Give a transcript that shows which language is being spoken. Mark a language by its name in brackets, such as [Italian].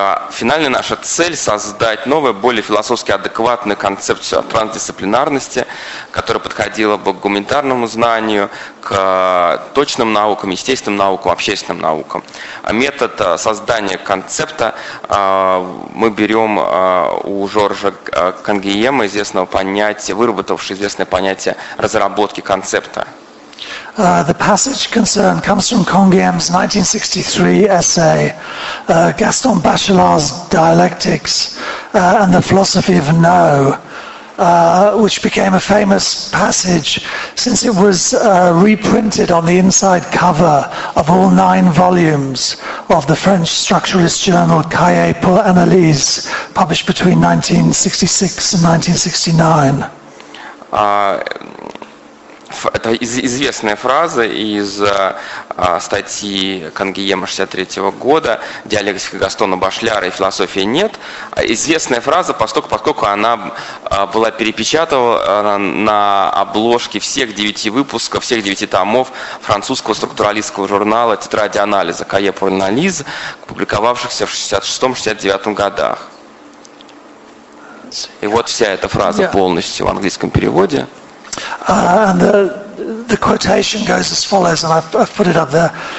[Russian] Финальная наша цель – создать новую, более философски адекватную концепцию трансдисциплинарности, которая подходила бы к гуманитарному знанию, к точным наукам, естественным наукам, общественным наукам. Метод создания концепта мы берем у Жоржа Канглиема, известного понятия, выработавшего известное понятие разработки концепта. [English] The passage concerned comes from Canguilhem's 1963 essay, Gaston Bachelard's Dialectics and the Philosophy of No, which became a famous passage since it was reprinted on the inside cover of all 9 volumes of the French structuralist journal Cahiers pour l'Analyse, published between 1966 and 1969. [Russian] Это известная фраза из статьи Канглиема 63-го года «Диалектика Гастона Башляра и философии нет». Известная фраза, поскольку она была перепечатана на обложке всех 9 выпусков, всех 9 томов французского структуралистского журнала «Тетради анализа» «Cahiers pour l'analyse», публиковавшихся в 66-69 годах. И вот вся эта фраза полностью в английском переводе. [English] And the quotation goes as follows, and I've put it up there.